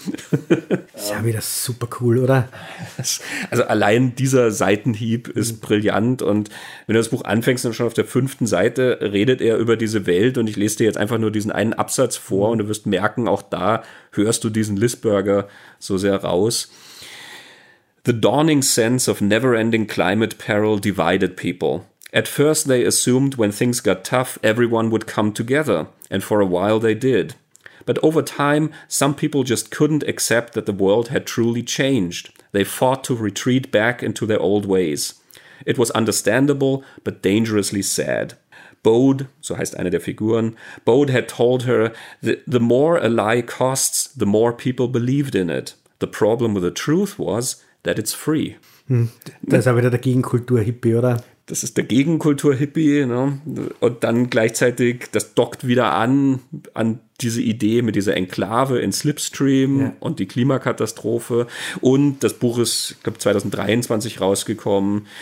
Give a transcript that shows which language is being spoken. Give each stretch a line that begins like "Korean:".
German: Ist ja wieder super cool, oder? Also allein dieser Seitenhieb ist brillant, und wenn du das Buch anfängst, dann schon auf der 5. Seite redet er über diese Welt, und ich lese dir jetzt einfach nur diesen einen Absatz vor und du wirst merken, auch da hörst du diesen Lisberger so sehr raus.
English: The dawning sense of never-ending climate peril divided people. At first they assumed when things got tough, everyone would come together, and for a while they did. But over time, some people just couldn't accept that the world had truly changed. They fought to retreat back into their old ways. It was understandable, but dangerously sad. Bode,
German: so heißt eine der Figuren,
English: Bode had told her that the more a lie costs, the more people believed in it. The problem with the truth was that it's free.
German: Das ist aber wieder der Gegenkultur-Hippie, oder? Das ist der Gegenkultur-Hippie, ne? Und dann gleichzeitig, das dockt wieder an diese Idee mit dieser Enklave in Slipstream, ja, und die Klimakatastrophe. Und das Buch ist, ich glaube, 2023 rausgekommen.